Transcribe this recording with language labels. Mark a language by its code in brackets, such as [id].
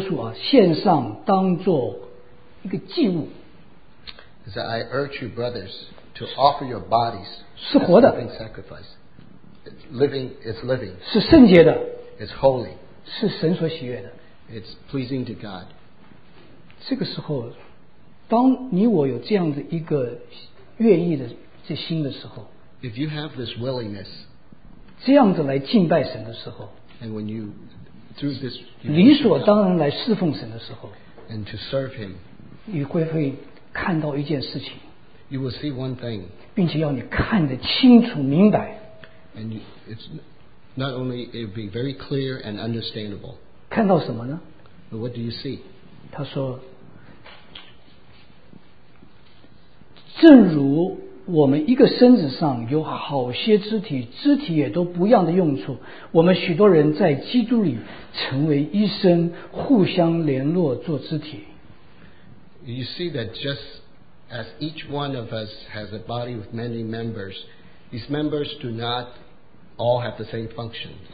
[zh] 我劝你们将身体多数献上当作一个祭物。 [en] I urge you, brothers, to offer your bodies. [zh] 是活的。 [en] As a living sacrifice. It's living. It's living. [zh] 是圣洁的。 [en] It's holy. [zh] 是神所喜悦的。 [en] It's pleasing to God. [zh] 这个时候，当你我有这样的一个愿意的。这心的时候, [en] if you have this willingness, [zh] 这样子来敬拜神的时候, [en] and when you through this, [zh] 理所当然来侍奉神的时候, [en] and to serve him, [zh] 你会看到一件事情, [en] you will see one thing, [zh] 并且要你看得清楚明白, [en] and you, it's not only it will be very clear and understandable. [zh] 看到什么呢? [en] But what do you see? [zh] 他说, 正如 我们一个身子上有好些肢体，肢体也都不一样的用处。我们许多人在基督里成为一身，互相联络做肢体。 [en] You see that just as each one of us has a body with many members, these members do not all have the same function.